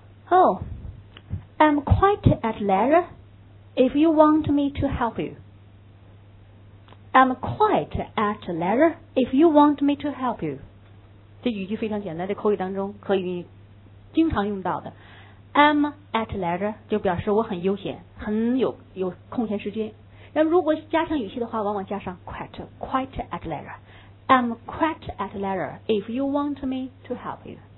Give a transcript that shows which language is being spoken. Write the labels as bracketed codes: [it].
[en] "Oh, I'm quite at leisure if you want me to help you. I'm quite at leisure if you want me to help you." [zh] 这语句非常简单，在口语当中可以经常用到的。 [en] I'm at leisure [zh] 就表示我很悠闲，很有空闲时间。然后如果加上语气的话，往往加上 quite [en] at leisure。 I'm quite at leisure if you want me to help you.